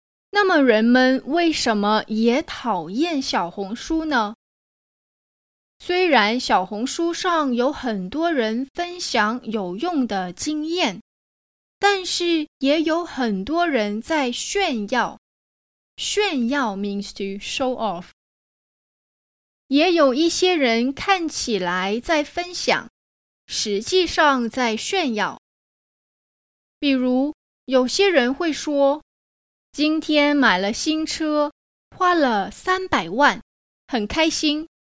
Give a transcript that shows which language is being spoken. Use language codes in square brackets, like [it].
[zh] 那么人们为什么也讨厌小红书呢？虽然小红书上有很多人分享有用的经验，但是也有很多人在炫耀。 [en] 炫耀 means to show off。 [zh] 也有一些人看起来在分享，实际上在炫耀。比如，有些人会说，今天买了新车，花了300万，很开心。